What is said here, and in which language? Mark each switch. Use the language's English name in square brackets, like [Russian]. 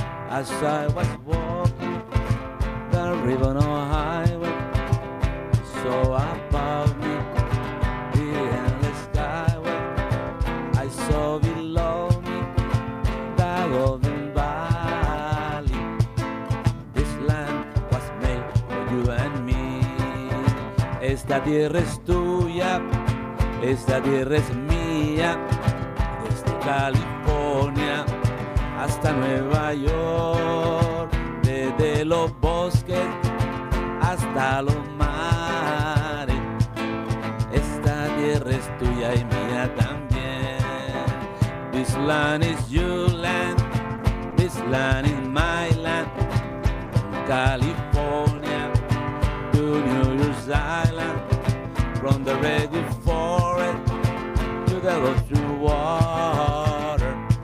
[English] As I was walking the river on highway, so above me the endless skyway, I saw below me the golden valley. This land was made for you and me. [Spanish] Esta tierra es tuya, esta tierra es mía, desde California hasta Nueva York, desde los bosques hasta los mares, esta tierra es tuya y mía también. [English] This land is your land, this land is my land, from California to New York's Island, from the redwood forest to the ocean water.